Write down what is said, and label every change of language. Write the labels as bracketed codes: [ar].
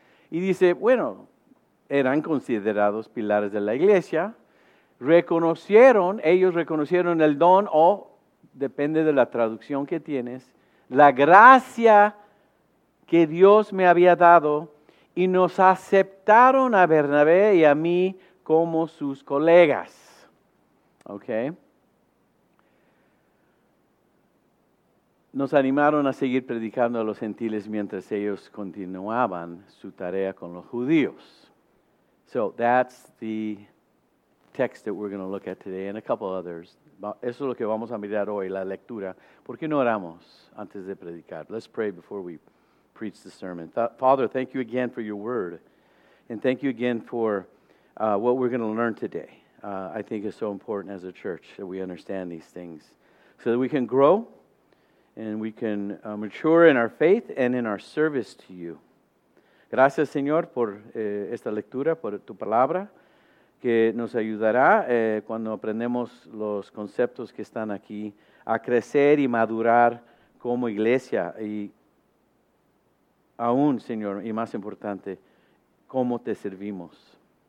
[es] Y dice, bueno, eran considerados pilares de la iglesia, ellos reconocieron el don o, depende de la traducción que tienes, la gracia que Dios me había dado y nos aceptaron a Bernabé y a mí como sus colegas. ¿Ok? Nos animaron a seguir predicando a los gentiles mientras ellos continuaban su tarea con los judíos. [en] So that's the text that we're going to look at today and a couple others. [es] Eso es lo que vamos a mirar hoy, la lectura. ¿Por qué no oramos antes de predicar? [en] Let's pray before we preach the sermon. Father, thank you again for your word. And thank you again for what we're going to learn today. I think it's so important as a church that we understand these things so that we can grow and we can mature in our faith and in our service to you. [es] Gracias, Señor, por esta lectura, por tu palabra, que nos ayudará cuando aprendemos los conceptos que están aquí a crecer y madurar como iglesia y aún, Señor, y más importante, cómo te servimos.